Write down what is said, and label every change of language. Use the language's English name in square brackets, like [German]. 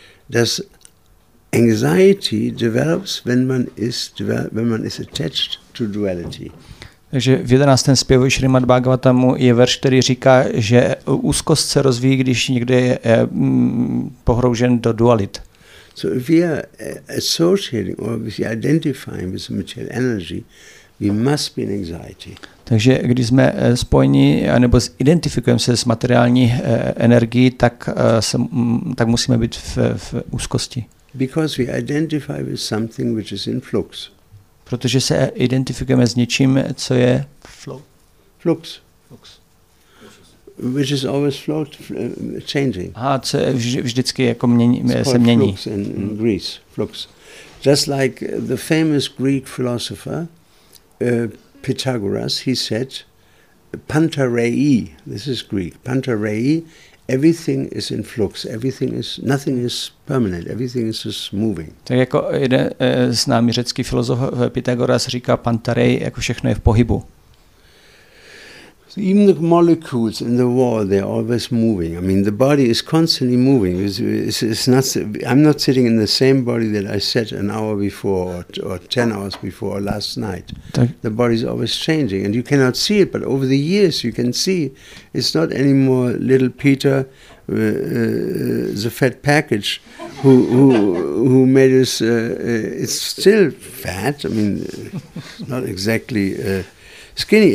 [English] Does anxiety develops when one is attached to duality? [Czech] Takže v 11. zpěvu Šrimad Bhagavatamu je verš, který říká, že úzkost se rozvíjí, když někdo je pohroužen do dualit. [English] So if we are associating or if we are identifying with material energy, we must be in anxiety. [Czech] Takže když jsme spojeni anebo identifikujeme se s materiální energií, tak musíme být v úzkosti. [English] Because we identify with something which is in flux. [Czech] Protože se identifikujeme s něčím, co je [English] flux. Which is always float, changing. [Czech] Aha, co je vždycky jako mění, se mění. [English] Flux in Greece, flux. Just like the famous Greek philosopher Pythagoras, he said, Pantarei, this is Greek, Pantarei, everything is in flux, everything is, nothing is permanent, everything is just moving. [Czech] Tak jako jeden známý řecký filozof Pythagoras říká Pantarei, jako všechno je v pohybu. [English] So even the molecules in the wall, they're always moving. I mean, the body is constantly moving. I'm not sitting in the same body that I sat an hour before or 10 hours before or last night. The body is always changing and you cannot see it, but over the years you can see it's not anymore little Peter, the fat package, who made us, it's still fat, I mean, not exactly... skinny.